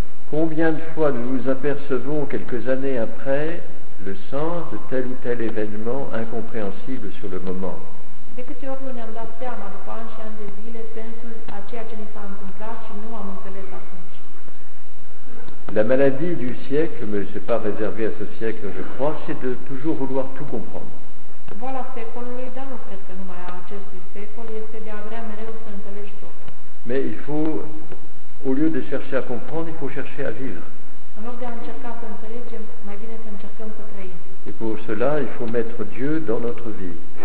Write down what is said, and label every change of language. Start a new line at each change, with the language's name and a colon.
French: Combien de fois nous nous apercevons quelques années après le sens de tel ou tel événement incompréhensible sur le moment?
Romanian: De câte ori nu ne-am dat seama după ani și ani de zile sensul a ceea ce ni s-a întâmplat și nu am înțeles atunci.
French: La maladie du siècle, mais c'est pas réservé à ce siècle, je crois, c'est de toujours vouloir tout comprendre.
Romanian: Boala secolului, dar nu cred că numai a acestui secol, este de a vrea mereu să înțelegi tot.
French: Mais il faut, au lieu de chercher à comprendre, il faut chercher à vivre.
Romanian: În loc de a încerca să înțelegem, mai bine să încercăm să trăim.
French: Et pour cela, il faut mettre Dieu dans notre vie.